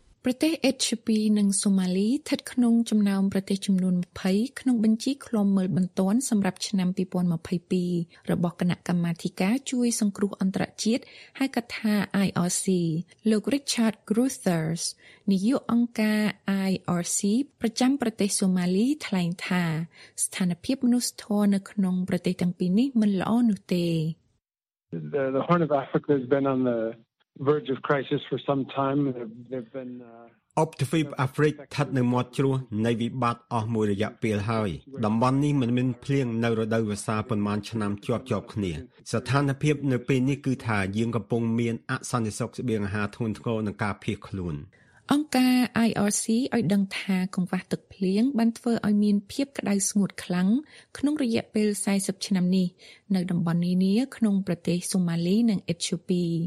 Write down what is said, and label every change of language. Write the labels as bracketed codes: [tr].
[km] ប្រទេសអេត្យូពីនិងសូម៉ាលីស្ថិតក្នុងចំណោមប្រទេសចំនួន20ក្នុងបញ្ជីឃ្លាំមើលបន្ទាន់សម្រាប់ឆ្នាំ2022របស់គណៈកម្មាធិការជួយសង្គ្រោះអន្តរជាតិហៅកថា IRC លោក Richard Gruthers នាយកអង្គការ IRC ប្រចាំប្រទេសសូម៉ាលីថ្លែងថាស្ថានភាពមនុស្សធម៌នៅក្នុងប្រទេសទាំងពីរនេះមិនល្អនោះទេ [en] The Horn of Africa has been on theverge of crisis for some time they've been up to fifth africa [km] ឋិតនៅមាត់ជ្រោះនៃវិបត្តិអស់មួយរយៈពេលហើយតំបន់នេះមិនមានភ្លៀងនៅរដូវវស្សាប៉ុន្មានឆ្នាំជាប់គ្នាស្ថានភាពនៅពេលនេះគឺថាយើងកំពុងមានអសន្តិសុខស្បៀងអាហារធ្ងន់ធ្ងរនឹងការភៀសខ្លួន អង្គការ IRC ឲ្យដឹងថាកង្វះទឹកភ្លៀងបានធ្វើឲ្យមានភាពក្តៅស្ងួតខ្លាំងក្នុងរយៈពេល40ឆ្នាំនេះនៅតំបន់នានាក្នុងប្រទេសសូម៉ាលីនិងអេត្យូពី